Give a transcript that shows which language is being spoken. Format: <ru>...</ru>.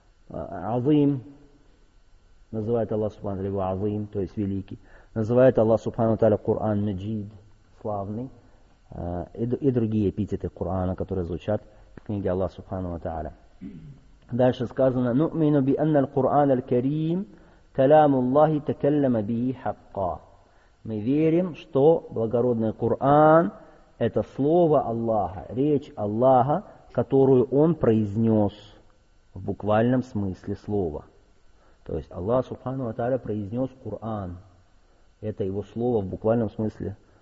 <ru>Азим, называет Аллах Субхану Тааля его Азим, то есть великий. Называет Аллах Субхану Тааля Коран Маджид, славный. И другие эпитеты Корана, которые звучат в книге Аллаха Субхану ва Тааля. Дальше сказано:</ru> <ar>نؤمن بأن القرآن الكريم كلام الله تكلم به حقا.</ar> <ru>Мы верим, что благородный Коран это слово Аллаха, речь Аллаха, которую Он произнес в буквальном смысле слова. То есть Аллах Субхану ва Тааля произнес Коран. Это Его слово в буквальном смысле.</ru>